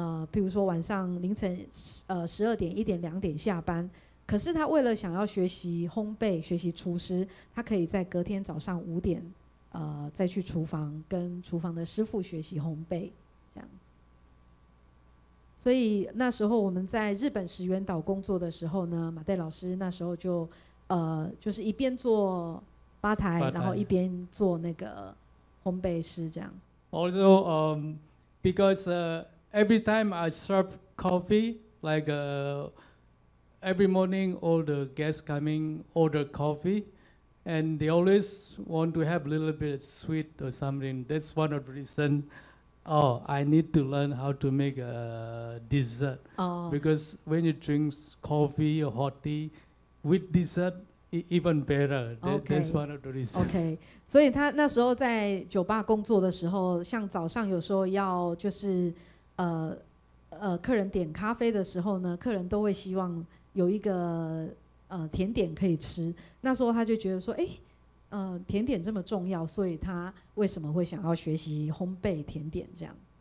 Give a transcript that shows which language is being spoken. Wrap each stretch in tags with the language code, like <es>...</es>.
<zh>比如说晚上凌晨12点、1点、2点下班，可是他为了想要学习烘焙、学习厨师，他可以在隔天早上5点再去厨房跟厨房的师傅学习烘焙。所以那时候我们在日本石垣岛工作的时候呢，马代老师那时候就就是一边做吧台，然后一边做那个烘焙师这样。</zh> <en>Also, because every time I serve coffee, like every morning all the guests coming order coffee, and they always want to have a little bit of sweet or something. That's one of the reason. Oh, I need to learn how to make a dessert. Because when you drink coffee or hot tea, with dessert, even better. That's one of the reasons.</en> <zh>Okay, 所以他那时候在酒吧工作的时候，像早上有时候要就是客人点咖啡的时候呢，客人都会希望有一个甜点可以吃。那时候他就觉得说，哎。甜点这么重要，所以他为什么会想要学习烘焙甜点这样？</zh>